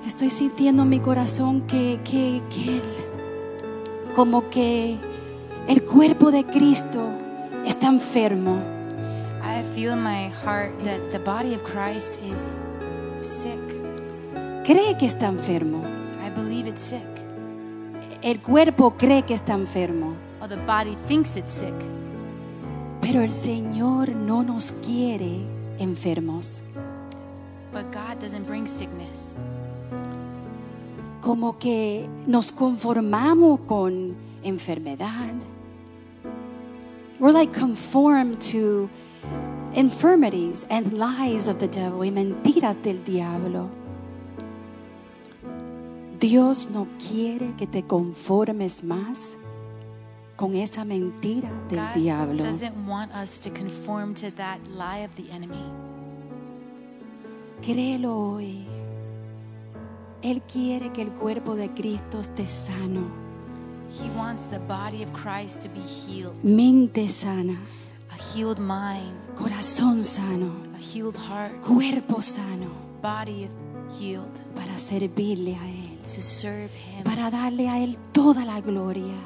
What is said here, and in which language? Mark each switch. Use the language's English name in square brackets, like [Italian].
[Spanish] Sintiendo en mi corazón que él, como que el cuerpo de Cristo está enfermo. [English] I feel in my heart that the body of Christ is sick. [Spanish] Cree que está enfermo. [English] I believe it's sick. [Spanish] El cuerpo cree que está enfermo. [English] Well, the body thinks it's sick. [Spanish] Pero el Señor no nos quiere enfermos. [English] But God doesn't bring sickness. [Spanish] Como que nos conformamos con enfermedad. [English] We're like conformed to infirmities and lies of the devil [Spanish] y mentiras del diablo. Dios no quiere que te conformes más con esa mentira del [English] God [Spanish] diablo. [English] God doesn't want us to conform to that lie of the enemy. [Spanish] Créelo hoy. Él quiere que el cuerpo de Cristo esté sano. [English] He wants the body of Christ to be healed. [Spanish] Mente sana. [English] A healed mind. [Spanish] Corazón sano. [English] A healed heart. [Spanish] Cuerpo sano. [English] Body healed. [Spanish] Para servirle a Él. [English] To serve Him. [Spanish] Para darle a Él toda la gloria.